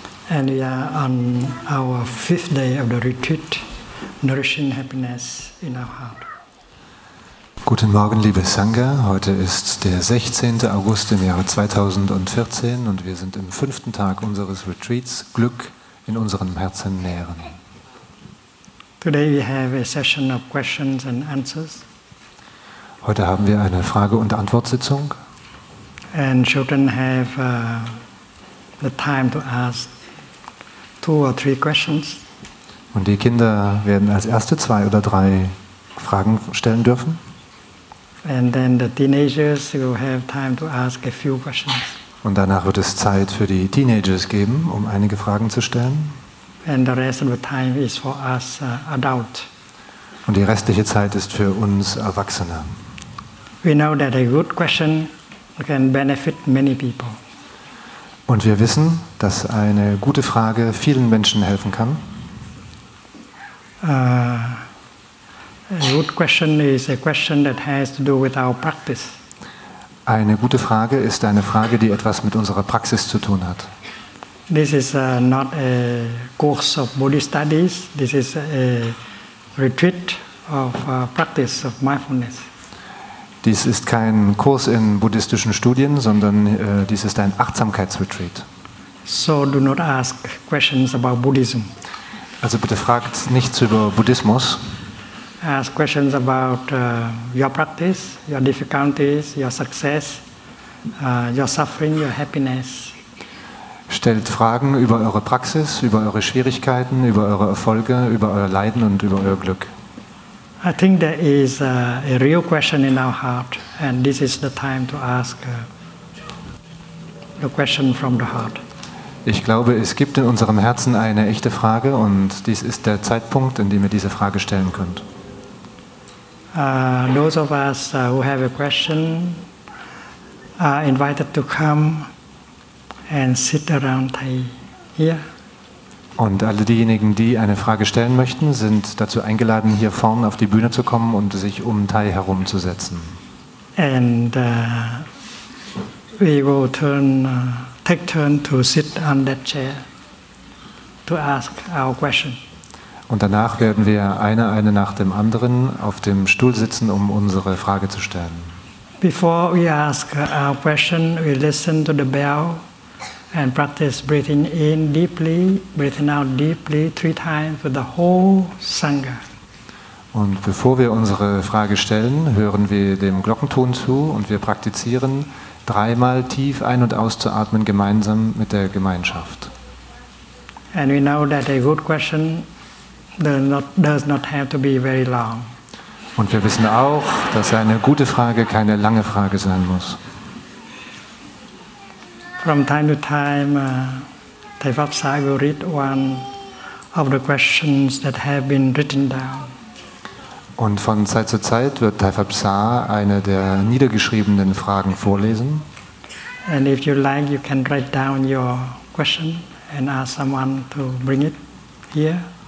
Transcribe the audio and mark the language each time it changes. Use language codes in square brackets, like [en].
[en] And we are on our fifth day of the retreat, Nourishing Happiness in Our Heart. [de] Guten Morgen, liebe Sangha. Heute ist der 16. August im Jahre 2014 und wir sind im fünften Tag unseres Retreats, Glück in unserem Herzen nähren. [en] Today we have a session of questions and answers. [de] Heute haben wir eine Frage- und Antwortsitzung. [en] And children have the time to ask two or three questions. [de] Und die Kinder werden als erste zwei oder drei Fragen stellen dürfen. [en] And then the teenagers will have time to ask a few questions. [de] Und danach wird es Zeit für die Teenagers geben, um einige Fragen zu stellen. [en] And the rest of the time is for us adult. [de] Und die restliche Zeit ist für uns Erwachsene. [en] We know that a good question can benefit many people. [de] Und wir wissen, dass eine gute Frage vielen Menschen helfen kann. [en] A good question is a question that has to do with our practice. [de] Eine gute Frage ist eine Frage, die etwas mit unserer Praxis zu tun hat. [en] This is not a course of Buddhist studies. This is a retreat of practice of mindfulness. [de] Dies ist kein Kurs in buddhistischen Studien, sondern dies ist ein Achtsamkeitsretreat. [en] So do not ask questions about Buddhism. [de] Also bitte fragt nichts über Buddhismus. [en] Ask questions about your practice, your difficulties, your success, your suffering, your happiness. [de] Stellt Fragen über eure Praxis, über eure Schwierigkeiten, über eure Erfolge, über euer Leiden und über euer Glück. [en] I think there is a real question in our heart, and this is the time to ask the question from the heart. [de] Ich glaube, es gibt in unserem Herzen eine echte Frage, und dies ist der Zeitpunkt, in dem ihr diese Frage stellen könnt. [en] Those of us who have a question are invited to come and sit around Thay here. [de] Und alle diejenigen, die eine Frage stellen möchten, sind dazu eingeladen, hier vorne auf die Bühne zu kommen und sich um Thay herumzusetzen. [en] And we will take turn to sit on that chair to ask our question. [de] Und danach werden wir eine nach dem anderen auf dem Stuhl sitzen, um unsere Frage zu stellen. [en] Before we ask our question, we listen to the bell and practice breathing in deeply, breathing out deeply, three times with the whole Sangha. [de] Und bevor wir unsere Frage stellen, hören wir dem Glockenton zu und wir praktizieren, dreimal tief ein- und auszuatmen, gemeinsam mit der Gemeinschaft. [en] And we know that a good question does not have to be very long. [de] Und wir wissen auch, dass eine gute Frage keine lange Frage sein muss. [en] From time to time, Thay Pháp Xá will read one of the questions that have been written down. [de] Und von Zeit zu Zeit wird Thay Pháp Xá eine der niedergeschriebenen Fragen vorlesen. [en] And if you like, you can write down your question and ask someone to bring it here.